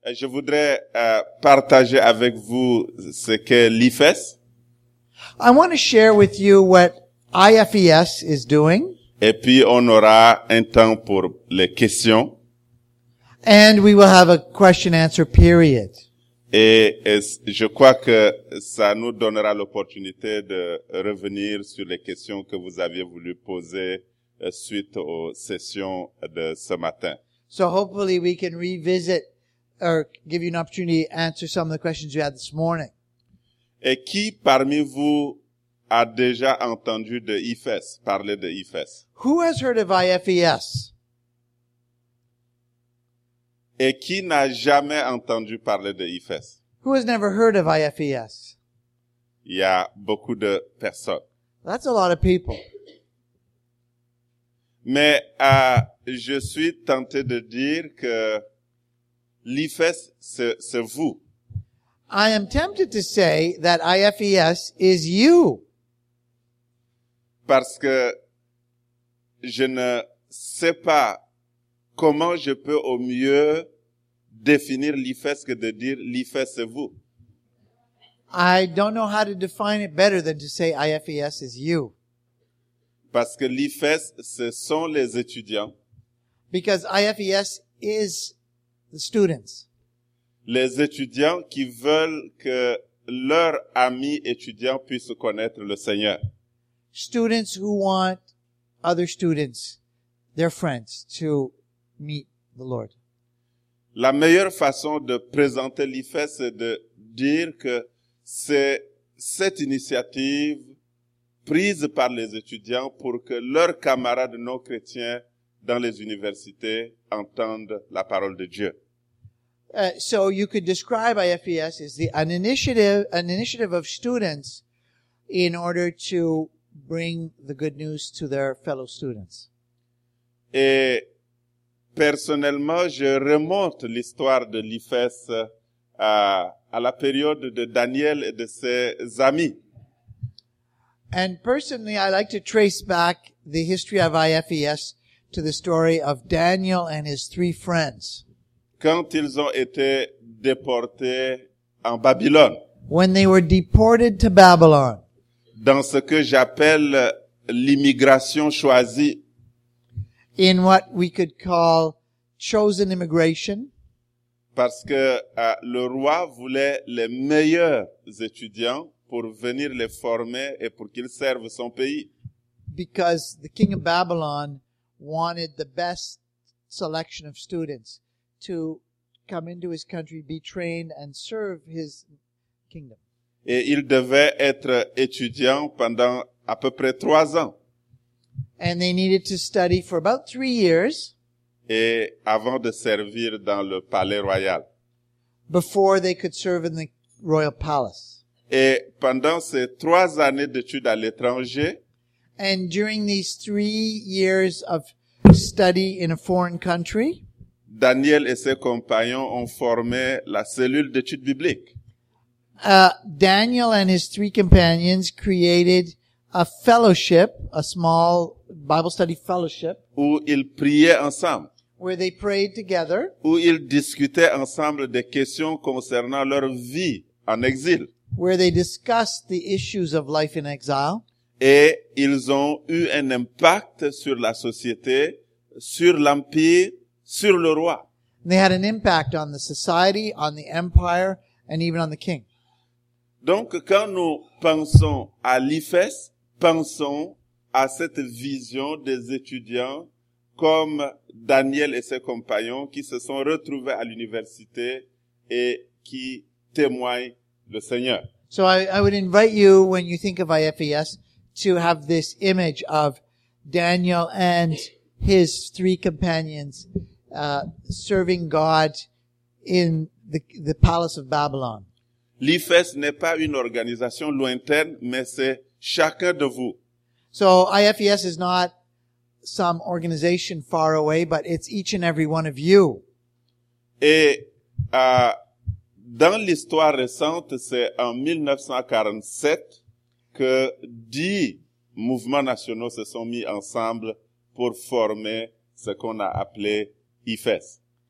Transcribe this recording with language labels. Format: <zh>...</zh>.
<fr>Je voudrais partager avec vous ce qu'est l'IFES.</fr> <en>I want to share with you what IFES is doing.</en> <fr>Et puis on aura un temps pour les questions.</fr> <en>And we will have a question answer period.</en> <fr>Et je crois que ça nous donnera l'opportunité de revenir sur les questions que vous aviez voulu poser suite aux sessions de ce matin.</fr> <en>So hopefully we can revisit or give you an opportunity to answer some of the questions you had this morning.</en> <fr>Et qui parmi vous a déjà entendu de IFES, parler de IFES?</fr> <en>Who has heard of IFES?</en> <fr>Et qui n'a jamais entendu parler de IFES?</fr> <en>Who has never heard of IFES?</en> <fr>Il y a beaucoup de personnes.</fr> <en>That's a lot of people.</en> <fr>Mais je suis tenté de dire que l'IFES, c'est vous.</fr> <en>I am tempted to say that IFES is you.</en> <fr>Parce que je ne sais pas comment je peux au mieux définir l'IFES que de dire l'IFES c'est vous.</fr> <en>I don't know how to define it better than to say IFES is you.</en> <fr>Parce que l'IFES ce sont les étudiants.</fr> <en>Because IFES is the students.</en> <fr>Les étudiants qui veulent que leurs amis étudiants puissent connaître le Seigneur.</fr> <en>Students who want other students, their friends, to meet the Lord.</en> <fr>La meilleure façon de présenter l'IFES, c'est de dire que c'est cette initiative prise par les étudiants pour que leurs camarades non chrétiens dans les universités entendent la parole de Dieu.</fr> <en>So you could describe IFES as an initiative of students in order to bring the good news to their fellow students.</en> <fr>Et personnellement, je remonte l'histoire de l'IFES à la période de Daniel et de ses amis.</fr> <en>And personally, I like to trace back the history of IFES to the story of Daniel and his three friends.</en> <fr>Quand ils ont été déportés en Babylone.</fr> <en>When they were deported to Babylon.</en> <fr>Dans ce que j'appelle l'immigration choisie.</fr> <en>In what we could call chosen immigration.</en> <fr>Parce que le roi voulait les meilleurs étudiants pour venir les former et pour qu'ils servent son pays.</fr> <en>Because the king of Babylon wanted the best selection of students to come into his country, be trained and serve his kingdom.</en> <fr>Et il devait être étudiant pendant à peu près 3 ans.</fr> <en>And they needed to study for about 3 years.</en> <fr>Et avant de servir dans le palais royal.</fr> <en>Before they could serve in the royal palace.</en> <fr>Et pendant ces 3 années d'études à l'étranger.</fr> <en>And during these 3 years of study in a foreign country.</en> <fr>Daniel et ses compagnons ont formé la cellule d'études bibliques.</fr> <en>Daniel and his three companions created a fellowship, a small Bible study fellowship.</en> <fr>Où ils priaient ensemble.</fr> <en>Where they prayed together.</en> <fr>Où ils discutaient ensemble des questions concernant leur vie en exil.</fr> <en>Where they discussed the issues of life in exile.</en> <fr>Et ils ont eu un impact sur la société, sur l'empire, sur le roi.</fr> <en>They had an impact on the society, on the empire, and even on the king.</en> <fr>Donc, quand nous pensons à l'IFES, pensons à cette vision des étudiants comme Daniel et ses compagnons qui se sont retrouvés à l'université et qui témoignent le Seigneur.</fr> <en>So I would invite you, when you think of IFES, to have this image of Daniel and his three companions serving God in the palace of Babylon.</en> <fr>L'IFES n'est pas une organisation lointaine, mais c'est chacun de vous.</fr> <en>So IFES is not some organization far away, but it's each and every one of you.</en> <fr>Et dans l'histoire récente, c'est en 1947 que 10 mouvements nationaux se sont mis ensemble pour former ce qu'on a appelé IFES.</fr>